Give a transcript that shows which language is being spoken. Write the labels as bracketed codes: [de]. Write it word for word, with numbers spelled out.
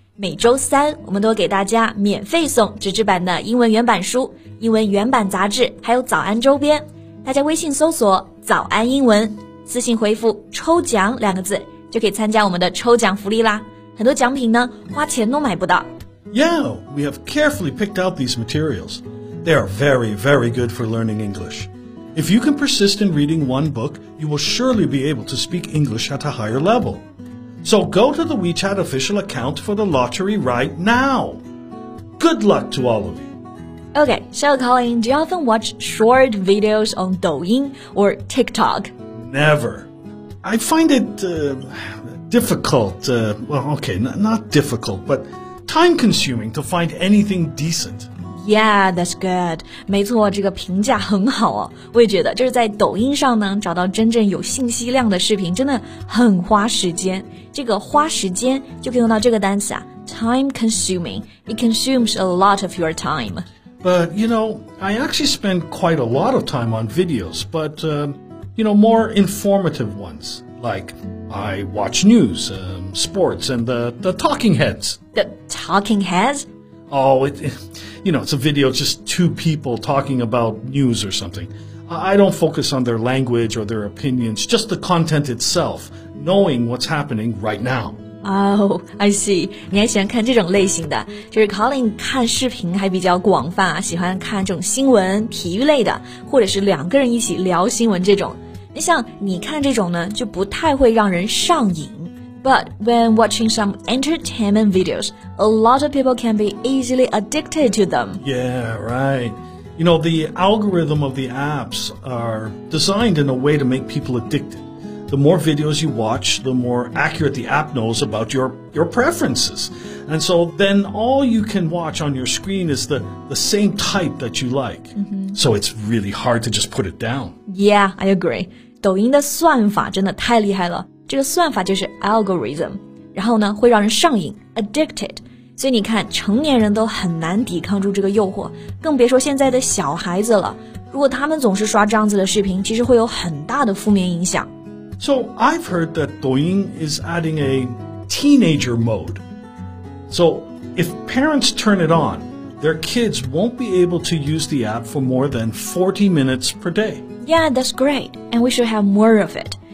[zh] 每周三我们都给大家免费送纸质版的英文原版书、英文原版杂志，还有早安周边。大家微信搜索早安英文，私信回复抽奖两个字，就可以参加我们的抽奖福利啦。很多奖品呢，花钱都买不到。 [en] Yeah, we have carefully picked out these materials. They are very, very good for learning English. If you can persist in reading one book, you will surely be able to speak English at a higher level. So go to the WeChat official account for the lottery right now. Good luck to all of you. Okay, so Colin, do you often watch short videos on Douyin or TikTok? Never. I find it uh, difficult, uh, well, okay, n- not difficult, but time-consuming to find anything decent. Yeah, that's good. [zh] 没错，这个评价很好哦。我也觉得，就是在抖音上呢，找到真正有信息量的视频，真的很花时间。这个花时间就可以用到这个单词啊 ，time-consuming. [en] It consumes a lot of your time. But you know, I actually spend quite a lot of time on videos, but uh, you know, more informative ones. Like I watch news, um, sports, and the the talking heads. The talking heads. Oh, it, it, you know, it's a video, just two people talking about news or something. I don't focus on their language or their opinions, just the content itself, knowing what's happening right now. Oh, I see. [zh] 你还喜欢看这种类型的，就是 Colin 看视频还比较广泛，喜欢看这种新闻、体育类的，或者是两个人一起聊新闻这种。那像你看这种呢，就不太会让人上瘾。 [en] But when watching some entertainment videos, a lot of people can be easily addicted to them. Yeah, right. You know, the algorithm of the apps are designed in a way to make people addicted. The more videos you watch, the more accurate the app knows about your, your preferences. And so then all you can watch on your screen is the, the same type that you like. Mm-hmm. So it's really hard to just put it down. Yeah, I agree. [zh] 抖音的算法真的太厉害了。这个算法就是 algorithm， 然后呢会让人上瘾 addicted， 所以你看成年人都很难抵抗住这个诱惑，更别说现在的小孩子了，如果他们总是刷这样子的视频，其实会有很大的负面影响。 [en] So I've heard that Douyin is adding a teenager mode. So if parents turn it on, their kids won't be able to use the app for more than forty minutes per day. Yeah, that's great, and we should have more of it.